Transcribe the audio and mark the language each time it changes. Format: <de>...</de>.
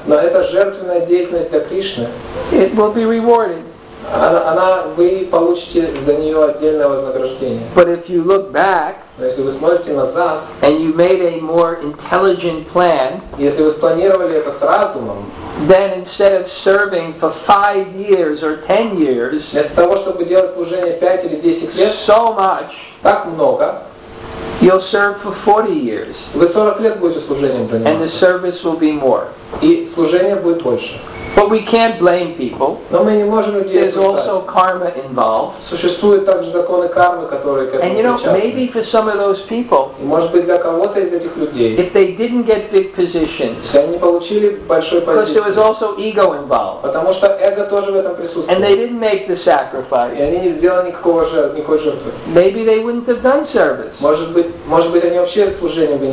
<ru>но эта жертвенная деятельность для Кришны,</ru> <en>it will be rewarded.</en> <ru>Она вы получите за нее отдельное вознаграждение.</ru> <en>But if you look back,</en> <ru>если вы смотрите назад,</ru> <en>and you made a more intelligent plan,</en> <ru>если вы спланировали это с разумом,</ru> <en>then instead of serving for 5 years or 10 years,</en> <ru>вместо того чтобы делать служение 5 или 10 лет,</ru> <en>so much,</en> <ru>так много,</ru> <en>you'll serve for 40 years.</en> <ru>Вы 40 лет будете служением заниматься.</ru> <en>And the service will be more.</en> <ru>И служение будет больше.</ru> <en>But we can't blame people.</en> <ru>Но мы не можем людей осуждать.</ru> <en>There's also karma involved.</en> <ru>Существуют также законы кармы, которые к этому причастны.</ru> <en>And you know, maybe for some of those people,</en> <ru>и может быть для кого-то из этих людей,</ru> <en>if they didn't get big positions,</en> <ru>если они не получили большой позиции,</ru> <en>because there was also ego involved,</en> <ru>потому что эго тоже в этом присутствует,</ru> <en>and they didn't make the sacrifice,</en> <ru>и они не сделали никакой жертвы,</ru> <en>maybe they wouldn't have done service.</en> <ru>Может быть, они вообще служение бы не</ru>